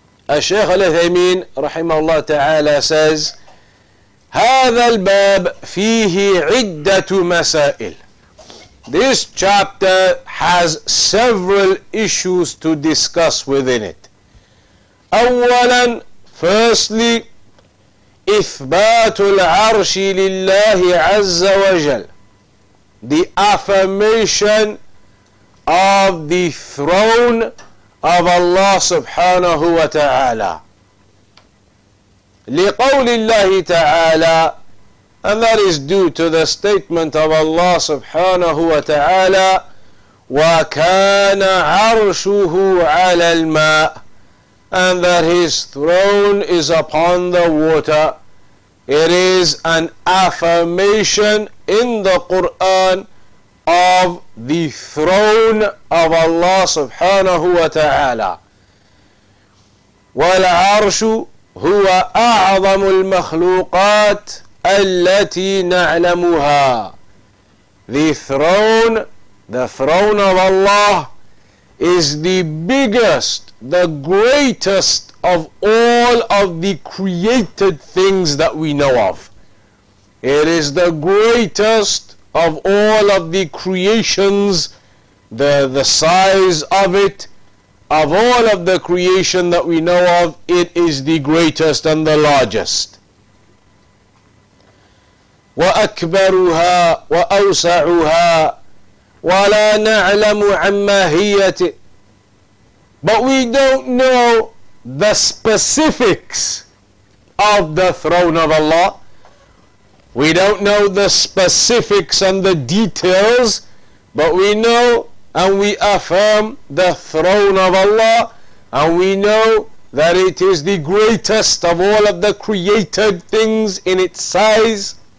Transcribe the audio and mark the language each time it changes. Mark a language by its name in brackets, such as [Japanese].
[Arabic] الشيخ الأثيمين رحمه الله تعالى [English] says [Arabic] هذا الباب فيه عدة مسائل. [English] This chapter has several issues to discuss within it. [Arabic] أولاً, [English] firstly, [Arabic] إثبات العرش لله عز وجل, [English] the affirmation of the throne of Allah subhanahu wa ta'ala. [Arabic] لقول الله تعالى, [English] and that is due to the statement of Allah subhanahu wa ta'ala, [Arabic] وَكَانَ عَرْشُهُ عَلَى الْمَاءِ, [English] and that his throne is upon the water. It is an affirmation in the Quran of the throne of Allah subhanahu wa ta'ala. [Arabic] وَالْعَرْشُ هُوَ أَعْظَمُ الْمَخْلُوقَاتِ التي نعلمها. [English] The throne of Allah is the biggest, the greatest of all of the created things that we know of. It is the greatest of all of the creations, the size of it, of all of the creation that we know of, it is the greatest and the largest. [Arabic] وأكبرها وأوسعها ولا نعلم عن ماهيته. [English] But we don't know the specifics of the throne of Allah. We don't know the specifics and the details, but we know and we affirm the throne of Allah, and we know that it is the greatest of all of the created things in its size.